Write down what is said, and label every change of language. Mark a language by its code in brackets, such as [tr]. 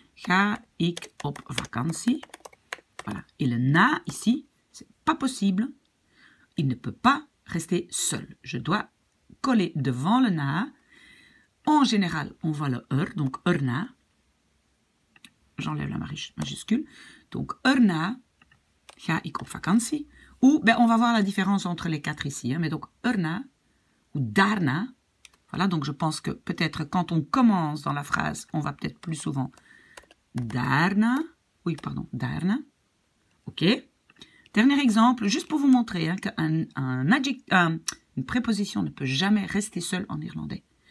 [nl] Ga ik op vakantie. [fr] Voilà. Et le na, ici, c'est pas possible. Il ne peut pas rester seul. Je dois coller devant le na. En général, on voit le er, donc erna. J'enlève la majuscule. [nl] Donc, erna, ga ik op vakantie. [fr] Ou, ben, on va voir la différence entre les quatre ici. Hein, mais donc, erna ou darna. Voilà, donc je pense que peut-être quand on commence dans la phrase, on va peut-être plus souvent darna. Oui, pardon, darna. OK. Dernier exemple, juste pour vous montrer hein, une préposition ne peut jamais rester seule en irlandais.